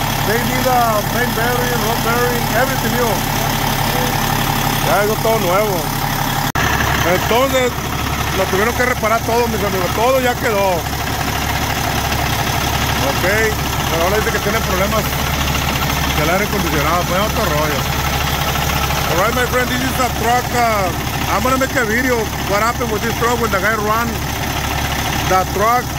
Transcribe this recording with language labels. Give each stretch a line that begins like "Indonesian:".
English: They did the main bearing, rod bearing, everything new.
Spanish: Ya, eso es todo nuevo. Entonces, lo tuvieron que reparar todo, mis amigos. Todo ya quedó. Ok. Pero ahora dice que tiene problemas del aire acondicionado, pues otro rollo.
English: Alright, my friend, this is a truck. I'm gonna make a video. What happened with this truck when the guy ran the truck?